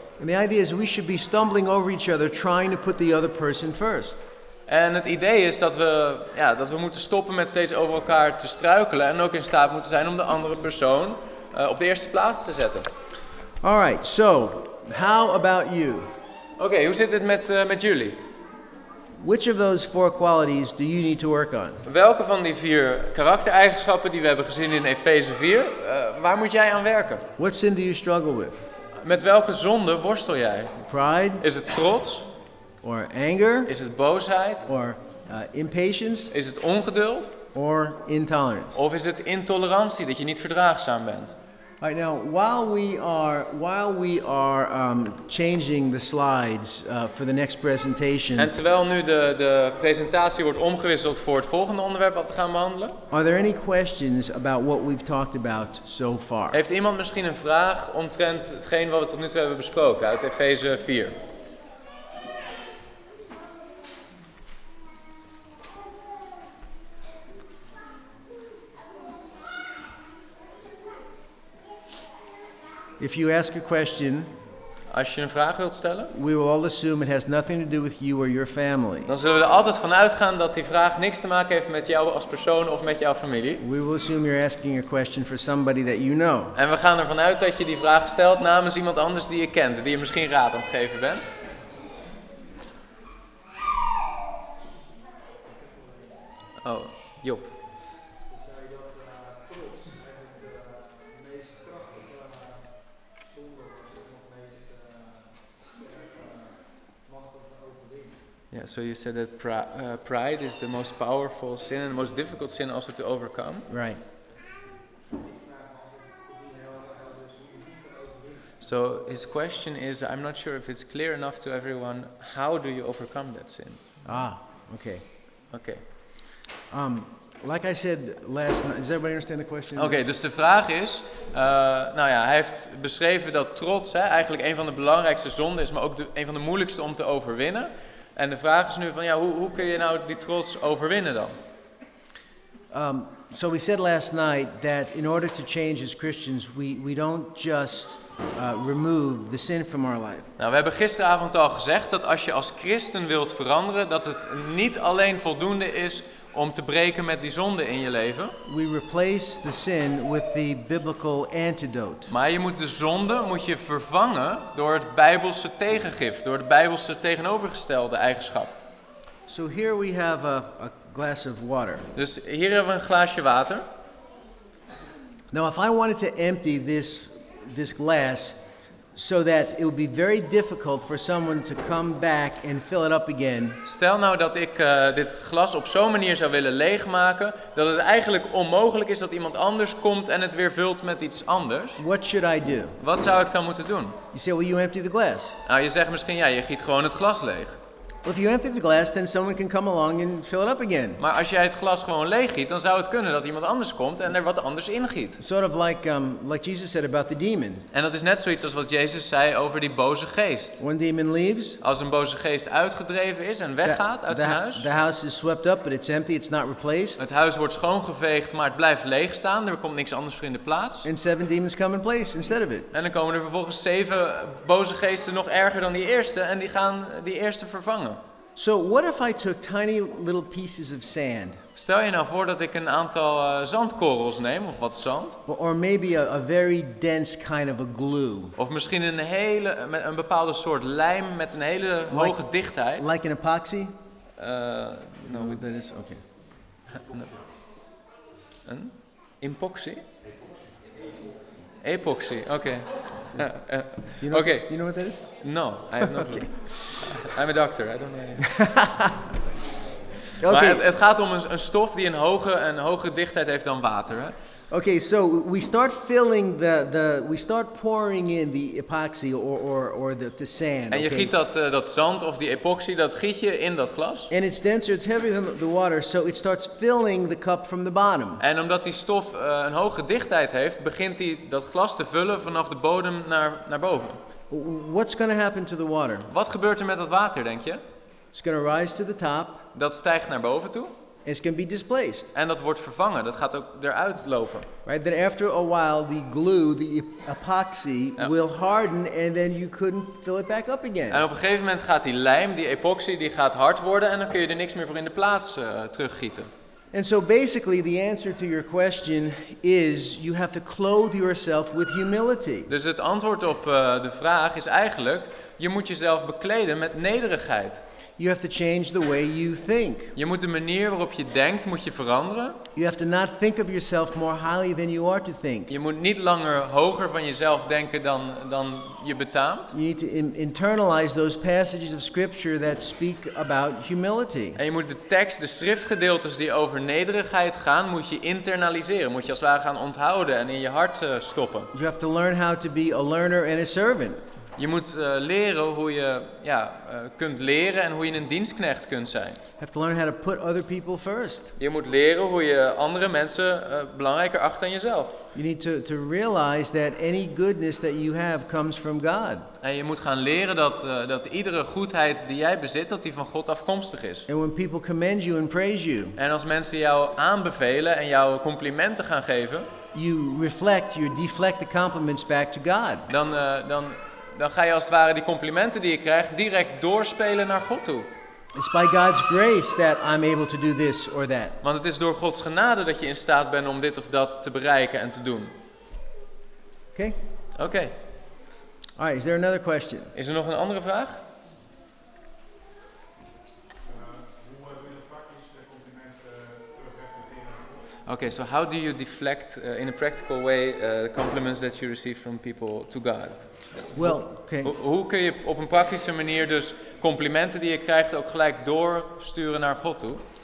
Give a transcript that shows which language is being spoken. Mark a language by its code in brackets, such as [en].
[en] And the idea is we should be stumbling over each other trying to put the other person first. [nl] En het idee is dat we dat we moeten stoppen met steeds over elkaar te struikelen en ook in staat moeten zijn om de andere persoon op de eerste plaats te zetten. [en] All right, so how about you? [nl] Okay, hoe zit het met jullie? [en] Which of those four qualities do you need to work on? [nl] Welke van die vier karaktereigenschappen die we hebben gezien in Efeze 4, waar moet jij aan werken? [en] What sin do you struggle with? [nl] Met welke zonde worstel jij? [en] Pride? [nl] Is het trots? [en] Or anger? [nl] Is het boosheid? [en] Or impatience? [nl] Is het ongeduld? [en] Or intolerance? [nl] Of is het intolerantie dat je niet verdraagzaam bent? [en] Right now, while we are changing the slides for the next presentation. [nl] En terwijl nu de presentatie wordt omgewisseld voor het volgende onderwerp wat we gaan behandelen. [en] Are there any questions about what we've talked about so far? [nl] Heeft iemand misschien een vraag omtrent hetgeen wat we tot nu toe hebben besproken uit Efeze 4? [en] If you ask a question, [nl] als je een vraag wilt stellen, [en] we will all assume it has nothing to do with you or your family. [nl] Dan zullen we er altijd van uitgaan dat die vraag niks te maken heeft met jou als persoon of met jouw familie. [en] We will assume you're asking a question for somebody that you know. [nl] En we gaan ervan uit dat je die vraag stelt namens iemand anders die je kent, die je misschien raad aan het geven bent. [en] Oh, Job. Yeah, so you said that pride is the most powerful sin and the most difficult sin also to overcome. Right. So his question is, I'm not sure if it's clear enough to everyone, how do you overcome that sin? Ah, okay. Okay. Like I said last night, does everybody understand the question? [nl] Okay, dus de vraag is, hij heeft beschreven dat trots eigenlijk een van de belangrijkste zonden is, maar ook een van de moeilijkste om te overwinnen. En de vraag is nu van hoe kun je nou die trots overwinnen dan? [en] So we said last night that in order to change as Christians, we don't just remove the sin from our life. [nl] Nou, we hebben gisteravond al gezegd dat als je als christen wilt veranderen, dat het niet alleen voldoende is om te breken met die zonde in je leven. [en] We replace the sin with the biblical antidote. [nl] Maar je moet de zonde moet je vervangen door het bijbelse tegengif, door de bijbelse tegenovergestelde eigenschap. [en] So here we have a glass of water. [nl] Dus hier hebben we een glaasje water. [en] Now if I wanted to empty this glass, So that it would be very difficult for someone to come back and fill it up again. [nl] Stel nou dat ik dit glas op zo'n manier zou willen leegmaken dat het eigenlijk onmogelijk is dat iemand anders komt en het weer vult met iets anders. [en] What should I do? [nl] Wat zou ik dan moeten doen? [en] You say, well, you empty the glass. [nl] Nou, je zegt misschien ja, je giet gewoon het glas leeg. [en] Well, if you empty the glass, then someone can come along and fill it up again. [nl] Maar als jij het glas gewoon leeggiet, dan zou het kunnen dat iemand anders komt en er wat anders ingiet. [en] Sort of like Jesus said about the demons. [nl] En dat is net zoiets als wat Jezus zei over die boze geest. [en] When demon leaves, [nl] als een boze geest uitgedreven is en weggaat uit zijn huis. [en] The house is swept up, but it's empty. It's not replaced. [nl] Het huis wordt schoongeveegd, maar het blijft leeg staan. Er komt niks anders voor in de plaats. [en] And 7 demons come in place instead of it. [nl] En dan komen er vervolgens 7 boze geesten nog erger dan die eerste en die gaan die eerste vervangen. [en] So what if I took tiny little pieces of sand? [nl] Stel je nou voor dat ik een aantal zandkorrels neem of wat zand? [en] Or maybe a very dense kind of a glue. [nl] Of misschien een bepaalde soort lijm met een hele hoge dichtheid. [en] Like an epoxy? No, that is okay. [nl] Een epoxy? Epoxy. Okay. [en] Do you know what that is? No, I have no clue. Okay. I'm a doctor, I don't know. Okay. [nl] Maar het gaat om een stof die een hogere dichtheid heeft dan water, hè? [en] Okay, so we start filling we start pouring in the epoxy or the sand. [nl] En je giet dat zand of die epoxy, dat giet je in dat glas. [en] And it's denser, it's heavier than the water, so it starts filling the cup from the bottom. [nl] En omdat die stof een hoge dichtheid heeft, begint die dat glas te vullen vanaf de bodem naar boven. [en] What's going to happen to the water? [nl] Wat gebeurt er met dat water, denk je? [en] It's going to rise to the top. [nl] Dat stijgt naar boven toe. [en] It's going to be displaced. [nl] En dat wordt vervangen. Dat gaat ook eruit lopen. [en] Right, then after a while the glue, the epoxy, ja, will harden and then you couldn't fill it back up again. [nl] En op een gegeven moment gaat die lijm, die epoxy, die gaat hard worden en dan kun je er niks meer voor in de plaats teruggieten. [en] And so basically the answer to your question is you have to clothe yourself with humility. [nl] Dus het antwoord op de vraag is eigenlijk je moet jezelf bekleden met nederigheid. [en] You have to change the way you think. [nl] Je moet de manier waarop je denkt moet je veranderen. [en] You have to not think of yourself more highly than you are to think. [nl] Je moet niet langer hoger van jezelf denken dan je betaamt. [en] You need to internalize those passages of scripture that speak about humility. [nl] En je moet de schriftgedeeltes die over nederigheid gaan, moet je internaliseren. Moet je als het ware gaan onthouden en in je hart stoppen. [en] You have to learn how to be a learner and a servant. [nl] Je moet leren hoe je kunt leren en hoe je een dienstknecht kunt zijn. [en] Have to learn how to put other people first. [nl] Je moet leren hoe je andere mensen belangrijker acht dan jezelf. [en] You need to realize that any goodness that you have comes from God. [nl] En je moet gaan leren dat iedere goedheid die jij bezit, dat die van God afkomstig is. [en] And when people commend you and praise you. [nl] En als mensen jou aanbevelen en jou complimenten gaan geven, [en] you deflect the compliments back to God. [nl] Dan ga je als het ware die complimenten die je krijgt direct doorspelen naar God toe. [en] It's by God's grace that I'm able to do this or that. [nl] Want het is door Gods genade dat je in staat bent om dit of dat te bereiken en te doen. Oké. Okay. [en] All right, is there another question? [nl] Is er nog een andere vraag? [en] Okay, so how do you deflect in a practical way the compliments that you receive from people to God? Well, okay. [nl] Hoe kun je op een praktische manier dus complimenten die je krijgt ook gelijk doorsturen naar God toe?